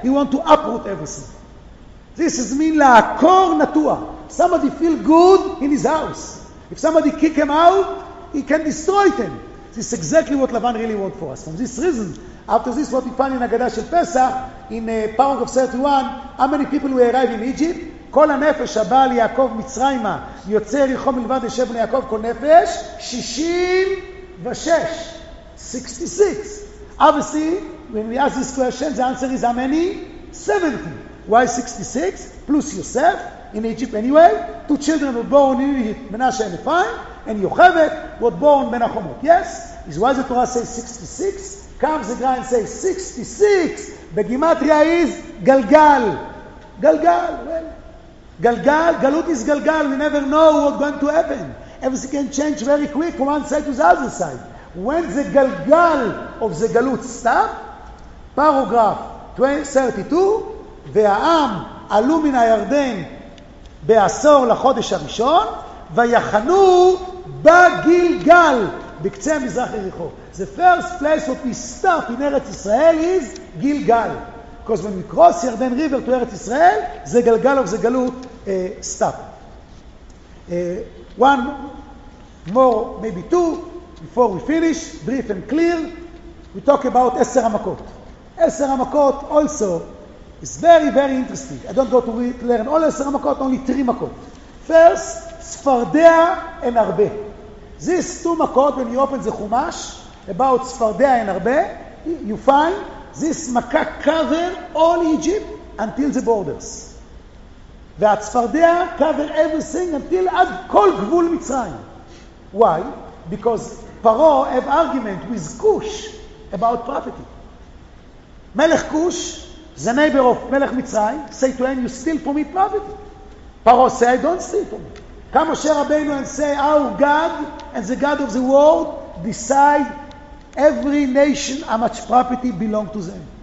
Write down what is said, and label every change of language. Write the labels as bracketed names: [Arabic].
[English] He want to uproot everything. This is mean [Hebrew] la'akor natua. [English] Somebody feel good in his house. If somebody kick him out, he can destroy them. This is exactly what Lavan really want for us. From this reason, after this, what we find in Agadah Shel Pesach, in paragraph 31, how many people will arrive in Egypt? [Hebrew] כל הנפש הבא ליעקב מצרימה, יוצא יריחו מלבד יושב בני יעקב כל נפש, 66. [English] 66. Obviously, when we ask this question, the answer is how many? 70. Why 66? Plus Yosef, in Egypt anyway, two children were born in Egypt, Menashe and Ephraim, and Yocheved was born Menachomot. Yes? Is why the Torah says 66? Comes the guy and says 66. Begimatria is Galgal. Galgal, well, Galgal, Galut is Galgal, we never know what's going to happen. Everything can change very quick from one side to the other side. When the Galgal of the Galut stop, paragraph 32, [Hebrew] והעם עלו מן הירדן בעשור לחודש הראשון, ויחנו בגילגל, בקצה המזרח יריחו. [English] The first place of his stop in ארץ ישראל is גילגל. Because when we cross ירדן river to ארץ ישראל, [Hebrew] זה גלגל [English] of the Galut, stop. One more, maybe two, before we finish, brief and clear, we talk about עשר המכות. עשר המכות also is very, very interesting. I don't go to learn all עשר המכות, only three מכות. First, צפרדע and הרבה. These two מכות, when you open the חומש, about צפרדע and הרבה, you find this מכה cover all Egypt until the borders. [Hebrew] והצפרדיה [English] cover everything until [Hebrew] עד כל גבול מצרים. [English] Why? Because פרו have argument with קוש about property. מלך קוש, the neighbor of מלך מצרים, say to him, you steal from me property. פרו say, I don't steal from me. Come משה רבינו and say, our God and the God of the world decide every nation how much property belong to them.